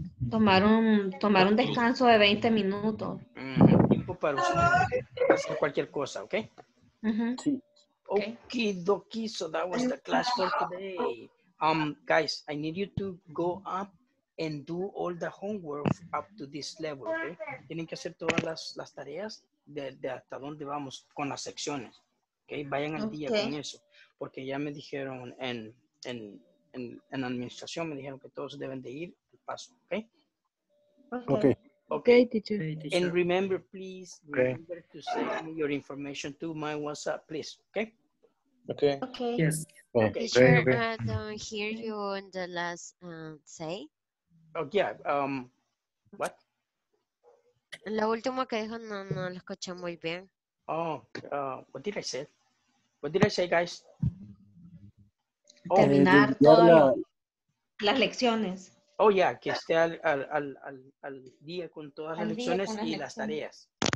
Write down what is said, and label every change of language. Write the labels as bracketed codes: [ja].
[es] Tomar un descanso de 20 minutos. Tiempo para hacer cualquier cosa, ¿okay? Mm-hmm. [en] Okay. Okie dokie, so that was the class for today. Guys, I need you to go up and do all the homework up to this level, okay? [es] Tienen que hacer todas las tareas de hasta dónde vamos con las secciones, okay? Vayan al día con eso, porque ya me dijeron en administración, me dijeron que todos deben de ir al paso, okay? [en] Okay. Okay. Okay, teacher. And remember, please, remember to send me your information to my WhatsApp, please. Okay? Okay. Okay. Yes. Okay. Teacher, okay. I don't hear you on the last say. Oh, yeah. What? [es] Lo último que dijo no lo escuché muy bien. [en] Oh, what did I say? What did I say, guys? [es] Oh, terminar todas las lecciones. Oh, yeah, que esté al día con todas las lecciones y las tareas.